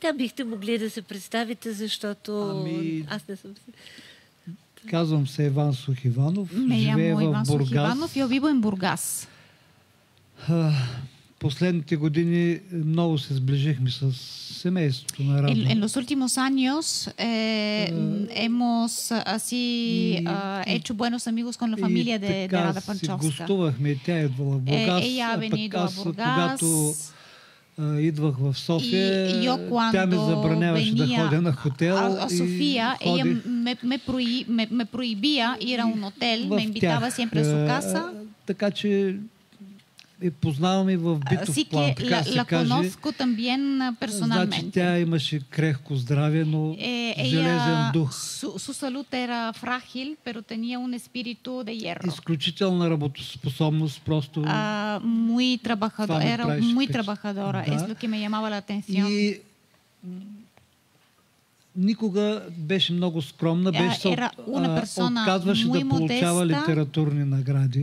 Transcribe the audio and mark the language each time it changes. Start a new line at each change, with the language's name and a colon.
Bulgarian: Да, бихте могли да се представите, защото аз не съм... Казвам се Иван Сухиванов.
Spanish: Я виво в Бургас.
Bulgarian: Последните години много се сближихме с семейството на Рада.
Spanish: En los últimos años hemos así hecho buenos amigos con la familia de Rada Panchovska.
Bulgarian: И така си гостувахме. Тя е идвала в Бургас.
Spanish: Ella ha venido a Bургас.
Bulgarian: Когато... идвах в София, тя ме забраняваше да ходя на хотел.
Spanish: София, ella me prohibía ir a un hotel, me invitaba siempre a su casa.
Bulgarian: Така че я познавам и в битов план, така се каже.
Spanish: La conozco también personalmente.
Bulgarian: Значи тя имаше крехко здраве, но железен дух.
Spanish: Su salud era frágil, pero tenía un espíritu de hierro.
Bulgarian: Изключителна работоспособност, просто...
Spanish: Muy trabajadora, era muy trabajadora, es lo que me llamaba la atención.
Bulgarian: И никога беше много скромна, беше отказваше да получава литературни награди.